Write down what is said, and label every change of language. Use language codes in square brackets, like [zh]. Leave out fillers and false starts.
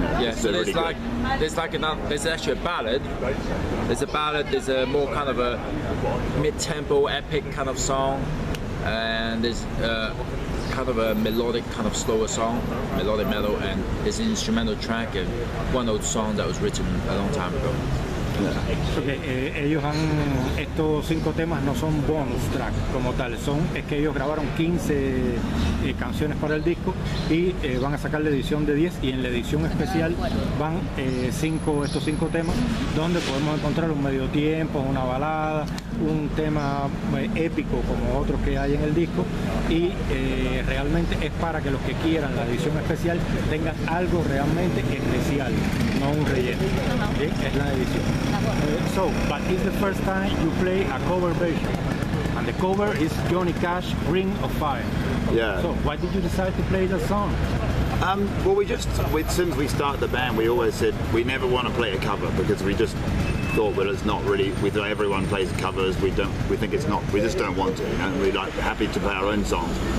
[en] Yeah, so there's actually a ballad. There's a ballad, there's a more kind of a mid-tempo, epic kind of song. And there's kind of a melodic, kind of slower song, melodic metal, and there's an instrumental track and one old song that was written a long time ago. Yeah. [es] Okay, estos 5 temas no son bonus track como tal, son, es que ellos grabaron 15 canciones para el disco y van a sacar la edición de 10, y en la edición especial van estos 5 temas, donde podemos encontrar un medio tiempo, una balada, un tema épico como otros que hay en el disco, y realmente es para que los que quieran la edición especial tengan algo realmente especial, no un relleno. ¿Sí? Es la edición. [en] So, but it's the first time you play a cover version, and the cover is Johnny Cash, Ring of Fire. Yeah. So, why did you decide to play the song? Well, since we started the band, we always said we never want to play a cover, because we just thought, well, it's not really, everyone plays covers, we just don't want to, and we're like happy to play our own songs.